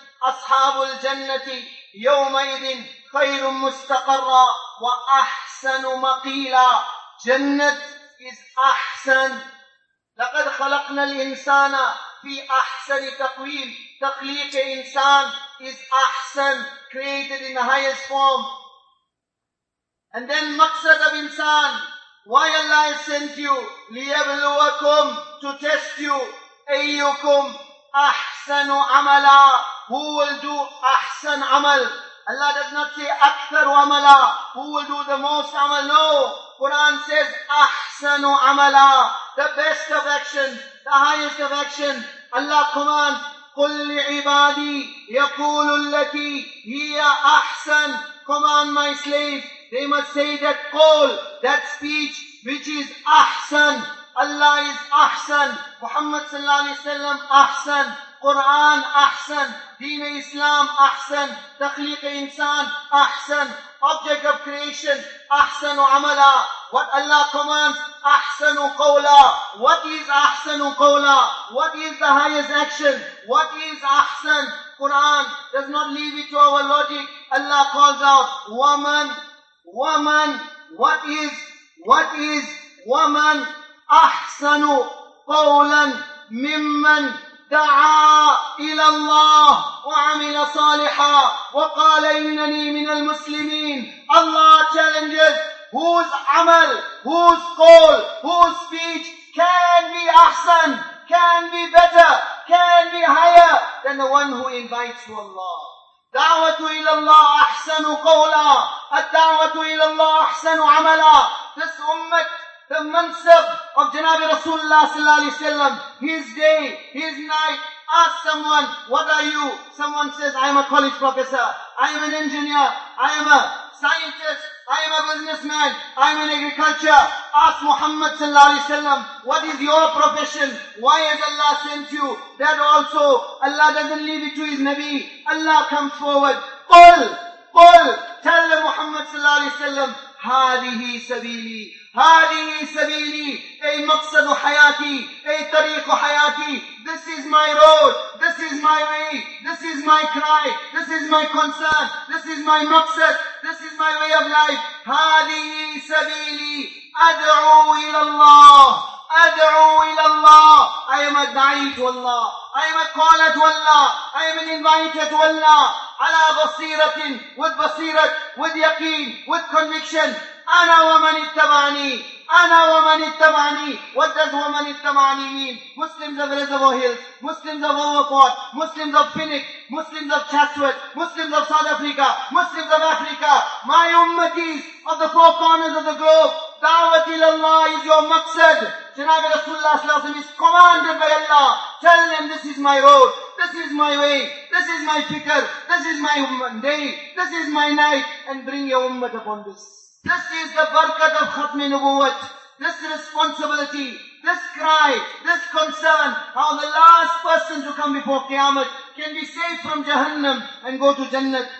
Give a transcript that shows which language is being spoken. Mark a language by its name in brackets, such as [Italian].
[Arabic] Ashabul Jannati يَوْمَئِذٍ خَيْرٌ مُسْتَقَرًّا وَأَحْسَنُ مَقِيلًا. [English] Jannat is Ahsan. [Arabic] لَقَدْ خَلَقْنَا الْإِنسَانَ في في أحسن تقويم. تخليق إنسان [English] is أحسن, created in the highest form. And then مقصد of إنسان, why Allah has sent you, [Arabic] ليبلوكم, [English] to test you, [Arabic] أيكم أحسن عملا, [English] who will do [Arabic] أحسن عمل. [English] Allah does not say [Arabic] أكثر عملا, [English] who will do the most عمل. No, Quran says [Arabic] أحسن عملا, [English] the best of action, the highest of action. Allah commands, [Arabic] قل لعبادي يقول التي هي أحسن. [English] Command my slave, they must say that call, that speech which is أحسن. Allah is أحسن, Muhammad sallallahu alayhi wa sallam أحسن, Quran أحسن, Deen Islam أحسن, تخليق إنسان أحسن, object of creation [Arabic] أحسن عملا. [English] What Allah commands, [Arabic] أحسن قولا. [English] What is أحسن قولا? What is the highest action? What is أحسن? Quran does not leave it to our logic. Allah calls out, woman, woman, what is woman? [Arabic] أحسن قولا ممن دعا إلى الله وعمل صالحا وقال إنني من المسلمين. [English] Allah challenges, whose عمل, whose قول, whose speech can be أحسن, can be better, can be higher than the one who invites to Allah. [Arabic] دعوة إلى الله أحسن قولا, الدعوة إلى الله أحسن عملا. [English] This ummah, the mansab of Janabi Rasulullah sallallahu alayhi wa sallam, his day, his night. Ask someone, what are you? Someone says, I am a college professor, I am an engineer, I am a scientist, I am a businessman, I am in agriculture. Ask Muhammad sallallahu alayhi wa sallam, what is your profession? Why has Allah sent you? That also, Allah doesn't leave it to his Nabi. Allah comes forward. [Arabic] Qul, qul, [English] tell Muhammad sallallahu alayhi wa sallam, [Arabic] هذه سبيلي, هذه سبيلي, أي مقصد حياتي, أي طريق حياتي. [English] This is my road, this is my way, this is my cry, this is my concern, this is my مقصد, this is my way of life. [Arabic] هذه سبيلي, أدعو إلى الله, أدعو إلى الله. [English] I am a داعي to Allah, I am a caller to Allah, I am an inviter to Allah. [Arabic] على بصيرة, [English] with بصيرة, with يقين, with conviction. [Arabic] أنا ومن اتبعني, أنا ومن اتبعني. [English] What does [Arabic] ومن اتبعني [English] mean? Muslims of Reservoir Hills, Muslims of Overport, Muslims of Phoenix, Muslims of Chatsworth, Muslims of South Africa, Muslims of Africa, my ummatis of the four corners of the globe. [Arabic] دعوت إلى الله [English] is your maqsad. [Arabic] جناب رسول الله صلى الله عليه وسلم [English] is commanded by Allah. Tell them, this is my road, this is my way, this is my fikr, this is my day, this is my night, and bring your ummah upon this. This is the barakat of khatm nubuwwat. This responsibility, this cry, this concern, how the last person to come before Qiyamah can be saved from Jahannam and go to Jannah.